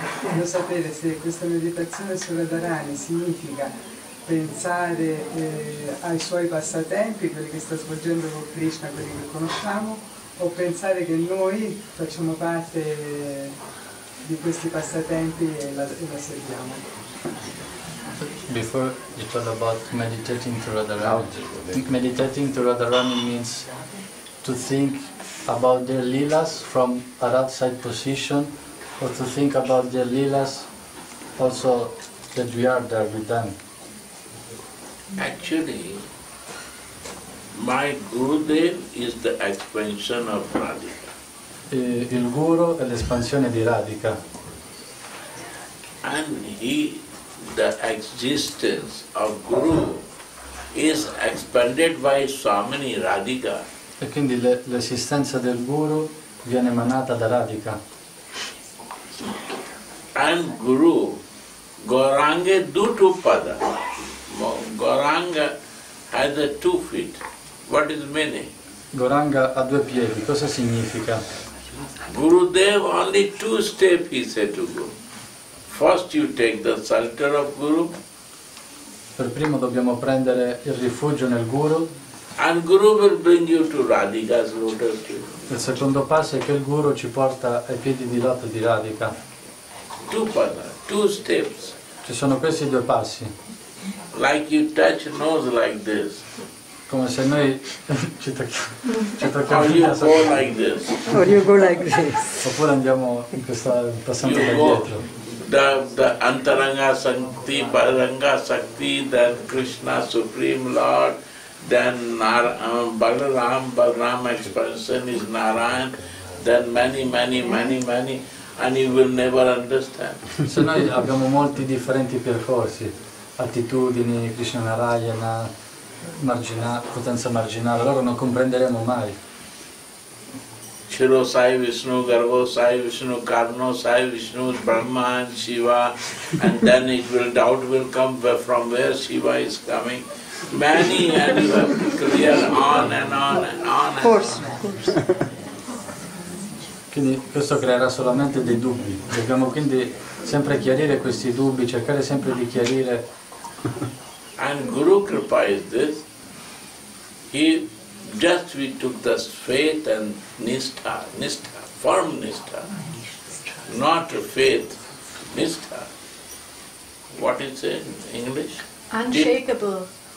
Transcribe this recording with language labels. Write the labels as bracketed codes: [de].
[it] Volevo sapere se questa meditazione su Radharani significa pensare ai suoi passatempi, quelli che sta svolgendo con Krishna, quelli che conosciamo, o pensare che noi facciamo parte di questi passatempi e la serviamo. [en] Before you talk about meditating to Radharani, meditating to Radharani means to think about their lilas from an outside position, or to think about their lilas also that we are there with them. Actually, my Gurudev is the expansion of Radhika. [it] Il Guru è l'espansione di Radhika. [en] And he, the existence of Guru, is expanded by Swamini Radhika. [it] E quindi l'esistenza del Guru viene emanata da Radhika. [en] And Guru, Gauranga Dutupada. Gauranga has a 2 feet. What is meaning? [it] Gauranga ha 2 piedi. Cosa significa? [en] Gurudev only 2 steps, he said to Guru. First you take the shelter of Guru. [it] Per primo dobbiamo prendere il rifugio nel Guru. [en] And Guru will bring you to Radhika's lotus feet. [it] Il secondo passo è che il Guru ci porta ai piedi di loto di Radhika. [en] 2 steps. [it] Ci sono questi 2 passi. [en] Like you touch nose like this. [it] Come se noi ci tocchiamo. [en] Or you go like this. Or you go like this. [it] Oppure andiamo in questa passando da dietro. [en] The antaranga sakti, paranga sakti, then Krishna Supreme Lord, then Balaram, Balaram expansion is Narayan, then many, and you will never understand. [it] Se noi abbiamo molti differenti percorsi. Attitudini, Krishna Narayana, potenza marginale, loro non comprenderemo mai. [en] Chiro Sai Vishnu, Garbo Sai Vishnu, Karno Sai Vishnu, Brahma and Shiva, and then it will doubt will come from where Shiva is coming. Many and you have to clear on and on and on. Of course. [it] Quindi questo creerà solamente dei dubbi. Dobbiamo quindi sempre chiarire questi dubbi, cercare sempre di chiarire. [en] And Guru Kripa is this. He just we took the faith and nistha, firm nistha, not faith, nistha. What is it in English? Unshakable.